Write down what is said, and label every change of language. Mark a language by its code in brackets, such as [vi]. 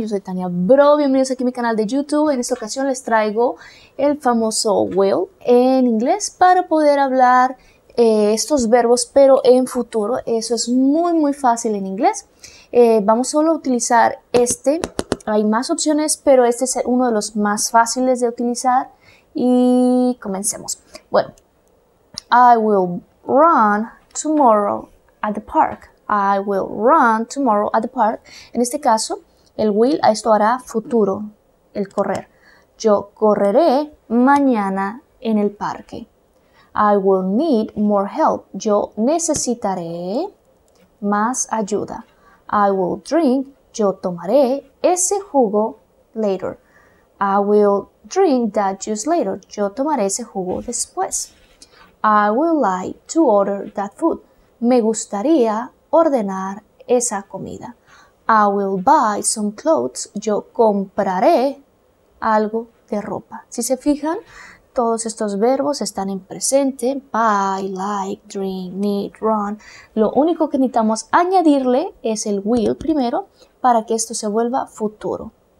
[es] Yo soy Tania Bro, bienvenidos aquí a mi canal de YouTube. En esta ocasión les traigo el famoso will en inglés para poder hablar estos verbos, pero en futuro. Eso es muy muy fácil en inglés. Vamos solo a utilizar este. Hay más opciones, pero este es uno de los más fáciles de utilizar. Y comencemos. [en] Bueno, I will run tomorrow at the park. I will run tomorrow at the park. [es] En este caso, el will a esto hará futuro, el correr. Yo correré mañana en el parque. [en] I will need more help. [es] Yo necesitaré más ayuda. [en] I will drink. [es] Yo tomaré ese jugo [en] later. I will drink that juice later. [es] Yo tomaré ese jugo después. [en] I would like to order that food. [es] Me gustaría ordenar esa comida. [en] I will buy some clothes. [es] Yo compraré algo de ropa. Si se fijan, todos estos verbos están en presente. [en] Buy, like, drink, need, run. [es] Lo único que necesitamos añadirle es el will primero para que esto se vuelva futuro.